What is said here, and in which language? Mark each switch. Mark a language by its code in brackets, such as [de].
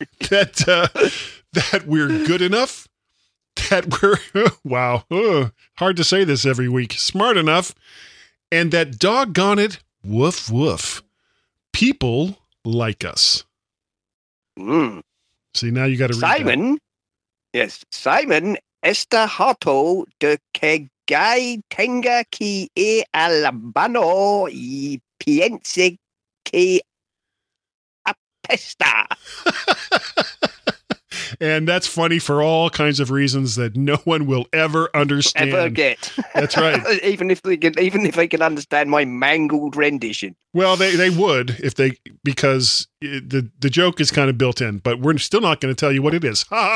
[en] That we're good enough. That we're hard to say this every week. Smart enough, and that doggone it, woof woof, people like us. Mm. See, now you got to read Simon. That. [es] Yes, Simon está harto de que Guy tenga que ir al baño y piense que apesta. [en] And that's funny for all kinds of reasons that no one will ever understand. Ever get. That's right. even if they can understand my mangled rendition. Well, they would if they, because the joke is kind of built in, but we're still not going to tell you what it is.